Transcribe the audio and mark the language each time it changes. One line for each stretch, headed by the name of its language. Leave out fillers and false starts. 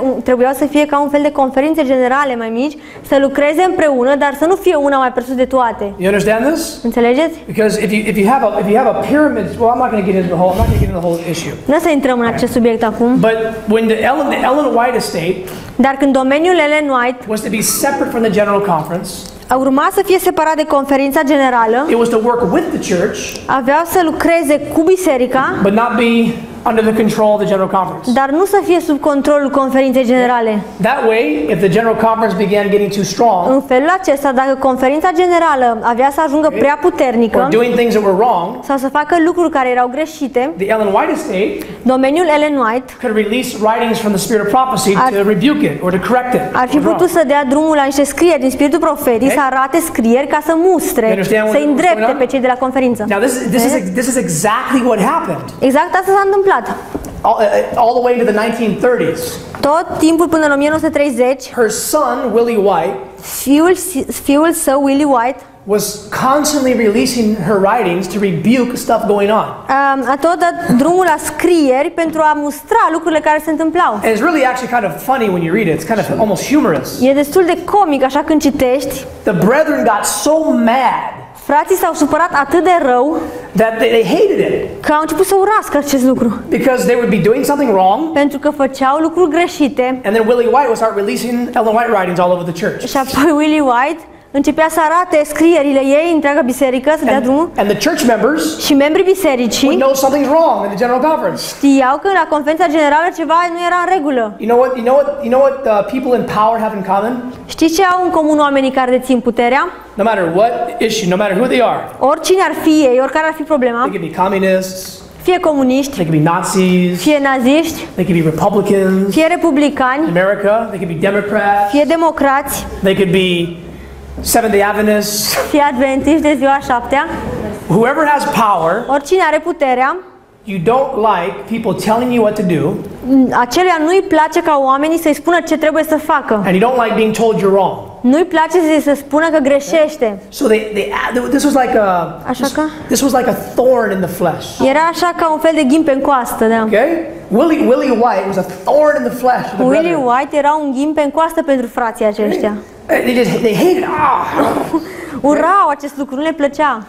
Romanian: Trebuiau să fie ca un fel de conferințe generale mai mici, să lucreze împreună, dar să nu fie una mai presus de toate.
English: You understand this?
Romanian: Înțelegeți?
English: Because if you have a pyramid, well, I'm not going to get into the whole issue.
Romanian: Nu să intrăm în acest subiect acum.
English: But when the Ellen White estate,
Romanian: dar când domeniul Ellen White
English: was to be separate from the general conference,
Romanian: a urma să fie separat de conferința generală,
English: it was to work with the church,
Romanian: avea să lucreze cu biserica,
English: but not be under the control of the general conference.
Romanian: Dar nu să fie sub controlul conferinței generale.
English: That way, if the general conference began getting too strong,
Romanian: în felul acesta, dacă conferința generală avea să ajungă prea puternică,
English: or doing things that were wrong,
Romanian: sau să facă lucruri care erau greșite,
English: the Ellen White estate,
Romanian: domeniul Ellen White,
English: could release writings from the spirit of prophecy to rebuke it or to correct it.
Romanian: Ar fi putut să dea drumul la niște scrieri din spiritul profetic, să arate scrieri ca să mustre, să îndrepte pe cei de la conferință.
English: Now this is exactly what happened.
Romanian: Exact asta s-a întâmplat.
English: All the way to the 1930s.
Romanian: Tot timpul până în 1930.
English: Her son Willie White.
Romanian: Fiul său Willie White.
English: was constantly releasing her writings to rebuke stuff going on.
Romanian: A tot dat drumul la scrieri pentru a mustra lucrurile care se întâmplau.
English: And it's really actually kind of funny when you read it. It's kind of almost humorous.
Romanian: E destul de comic așa când citești.
English: The brethren got so mad.
Romanian: Frații s-au supărat atât de rău
English: that they hated it.
Romanian: Că au început să urască acest lucru.
English: Because they would be doing something wrong.
Romanian: Pentru că făceau lucruri greșite.
English: And then Willie White would start releasing Ellen White writings all over the church.
Romanian: Și apoi Willie White începea să arate scrierile ei întreaga biserică să dea drumul.
English: And the church members.
Romanian: Și membrii bisericii.
English: Would know something's wrong in the general conference.
Romanian: Știau că la conferința generală ceva nu era în regulă.
English: You know what the people in power have in common?
Romanian: Știi ce au în comun oamenii care dețin puterea?
English: No matter what issue, no matter who they are.
Romanian: Oricine ar fi ei, oricare ar fi problema.
English: They could be communists.
Romanian: Fie comuniști.
English: They could be Nazis.
Romanian: Fie naziști.
English: They could be Republicans.
Romanian: Fie republicani.
English: In America, they could be Democrats.
Romanian: Fie democrați.
English: They could be Seventh-day Adventists.
Romanian: Fie adventiști de ziua șaptea.
English: Whoever has power.
Romanian: Oricine are puterea.
English: You don't like people telling you what to do.
Romanian: Aceluia nu-i place ca oamenii să-i spună ce trebuie să facă.
English: And you don't like being told you're wrong.
Romanian: Nu-i place să se spună că greșește.
English: So this was like a this was like a thorn in the flesh.
Romanian: Era așa ca un fel de ghimpe în coastă, da.
English: Okay? Willie White was a thorn in the flesh.
Romanian: Willie White era un ghimpe în coastă pentru frații aceștia.
English: They hated.
Romanian: Urau acest lucru, nu le plăcea.